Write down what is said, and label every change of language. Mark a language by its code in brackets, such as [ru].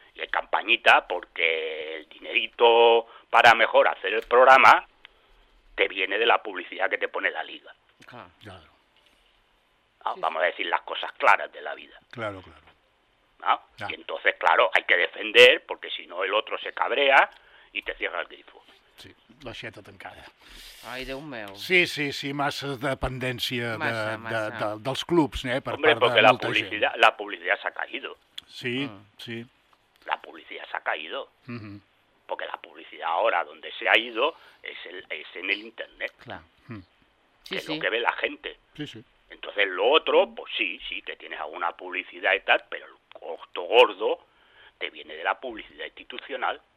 [es] Y hay campañita porque el dinerito para mejor hacer el programa te viene de la publicidad que te pone la liga. Claro. Ah, sí. Vamos a decir las cosas claras de la vida. Claro, claro. ¿No? Y entonces, claro, hay que defender porque si no el otro se cabrea y te cierra el grifo. [ca] Sí, la xeta tancada. Ai, Déu meu. Sí, massa dependència dels clubs, per [es] Hombre, [ca] part de molta gent. [es] Hombre, porque la publicidad se ha caído. Sí, sí. La publicidad se ha caído. Porque la publicidad ahora, donde se ha ido, es en el internet. Claro. Que es lo que ve la gente. Sí, sí. Entonces, lo otro, pues sí, que tienes alguna publicidad y tal, pero costo gordo te viene de la publicidad institucional.